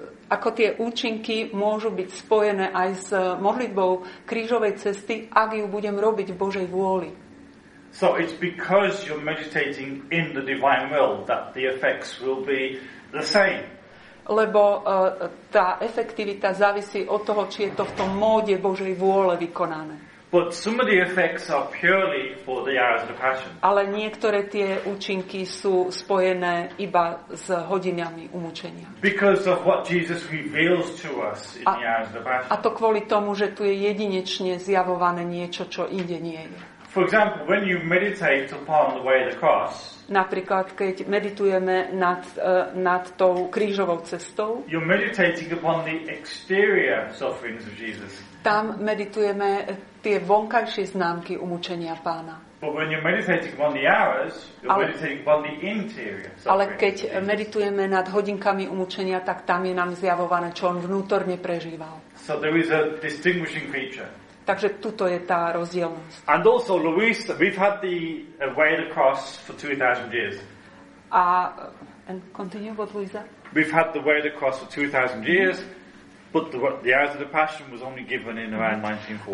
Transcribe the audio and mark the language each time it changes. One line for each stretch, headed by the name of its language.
Slovak: Ako tie účinky môžu byť spojené aj s modlitbou krížovej cesty, ak ju budem robiť v Božej vôli.
English: So it's because you're meditating in the divine will that the effects will be the same.
Slovak: Lebo tá efektivita závisí od toho, či je to v tom móde Božej vôle vykonané.
English: But some of the effects are purely for the hours of the passion.
Slovak: Ale niektoré tie účinky sú spojené iba s hodinami umučenia.
English: Because of what Jesus reveals to us in the hours of the passion.
Slovak: A to kvôli tomu, že tu je jedinečne zjavované niečo, čo inde nie je.
English: For example, when you meditate upon the way of the cross,
Slovak: napríklad, keď meditujeme nad tou krížovou cestou,
English: you're meditating upon the exterior sufferings of Jesus.
Slovak: Tam meditujeme tie vonkajšie známky umučenia pána.
English: But when you're meditating upon the hours, you're meditating upon the interior sufferings.
Slovak: Ale keď meditujeme nad hodinkami umučenia, tak tam je nám zjavované, čo on vnútorne prežíval.
English: So there is a distinguishing feature.
Slovak: Takže tuto je tá rozdielnosť.
English: And also, Luis, we've had the way of the cross for 2,000 years. And continue what Luisa? We've had the way of the cross for 2,000 years, but the eyes of the passion was only given in around 1914.